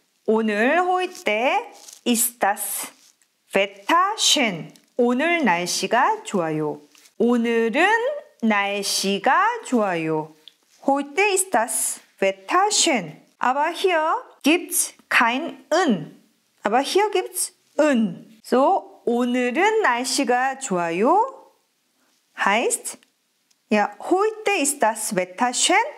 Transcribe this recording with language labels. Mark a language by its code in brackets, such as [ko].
[ko] 오늘 호이때 [de] ist das Wetter schön. [ko] 오늘 날씨가 좋아요. 오늘은 날씨가 좋아요. [de] Heute ist das Wetter schön. Aber hier gibt's kein 은. Aber hier gibt's 은. [ko] So, 오늘은 날씨가 좋아요. [de] Heißt, ja, heute ist das Wetter schön.